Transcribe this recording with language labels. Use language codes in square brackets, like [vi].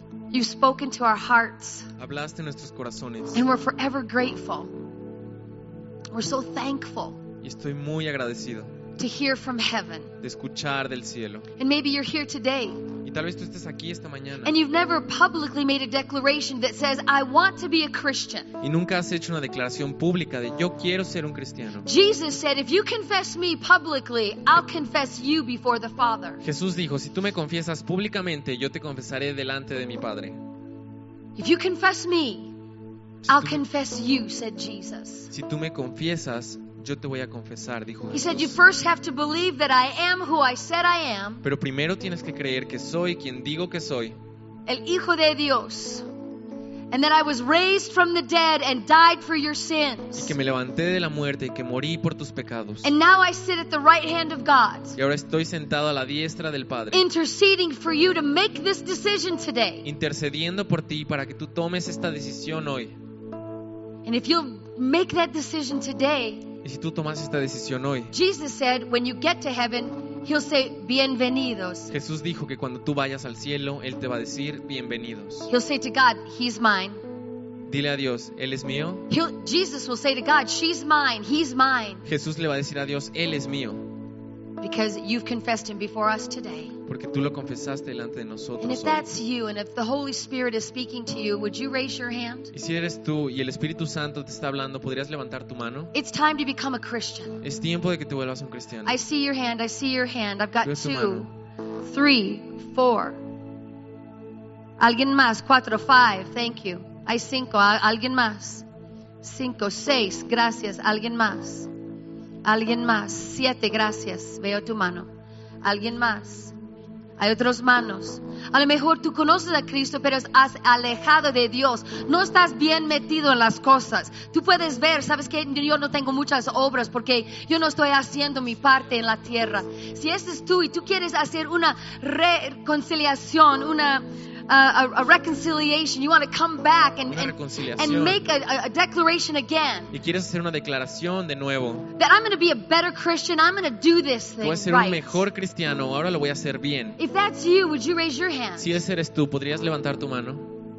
[en] You've spoken to our hearts. [es] Hablaste en nuestros corazones. [en] And we're forever grateful. We're so thankful. [es] Y estoy muy agradecido. [en] To hear from heaven. [es] De escuchar del cielo. [en] And maybe you're here today. [es] Y tal vez tú estés aquí esta mañana. [en] And you've never publicly made a declaration that says, I want to be a Christian. [es] Y nunca has hecho una declaración pública de yo quiero ser un cristiano. [en] Jesus said, if you confess me publicly, I'll confess you before the Father. [es] Jesús dijo, si tú me confiesas públicamente, yo te confesaré delante de mi Padre. [en] If you confess me, I'll confess you, said Jesus. [es] Si tú me confiesas, yo te voy a confesar, dijo Jesús. [en] He said, you first have to believe that I am who I said I am. [es] Pero primero tienes que creer que soy quien digo que soy. El Hijo de Dios. [en] And that I was raised from the dead and died for your sins. [es] Y que me levanté de la muerte y que morí por tus pecados. [en] And now I sit at the right hand of God. [es] Y ahora estoy sentado a la diestra del Padre. [en] Interceding for you to make this decision today. [es] Intercediendo por ti para que tú tomes esta decisión hoy. [en] And if you'll make that decision today, [es] y si tú tomas esta decisión hoy, [en] Jesus said, when you get to heaven, he'll say, bienvenidos. [es] Jesús dijo que cuando tú vayas al cielo, él te va a decir, bienvenidos. [en] He'll say to God, he's mine. [es] Dile a Dios, él es mío. [en] Jesus will say to God, she's mine, he's mine. [es] Jesús le va a decir a Dios, él es mío. [en] Because you've confessed him before us today. [es] Porque tú lo confesaste delante de nosotros. [en] And if that's you, and if the Holy Spirit is speaking to you, would you raise your hand? [es] Y si eres tú y el Espíritu Santo te está hablando, ¿podrías levantar tu mano? [en] It's time to become a Christian. [es] Es tiempo de que te vuelvas un cristiano. [en] I see your hand. I see your hand. I've got 2, 3, 4. [es] Alguien más. [en] 4, 5. Thank you. [es] Hay 5. Alguien más. 5, 6. Gracias. Alguien más. Alguien más. 7. Gracias. Veo tu mano. Alguien más. Hay otras manos. A lo mejor tú conoces a Cristo, pero has alejado de Dios. No estás bien metido en las cosas. Tú puedes ver, sabes que yo no tengo muchas obras porque yo no estoy haciendo mi parte en la tierra. Si ese es tú y tú quieres hacer una reconciliación, una reconciliation, [en] you want to come back and make a declaration again. [es] Y quieres hacer una declaración de nuevo. [en] That I'm going to be a better Christian. I'm going to do this thing right. [es] Voy a ser un mejor cristiano. Ahora lo voy a hacer bien. [en] If that's you, would you raise your hand? [es] Si ese eres tú, ¿podrías levantar tu mano?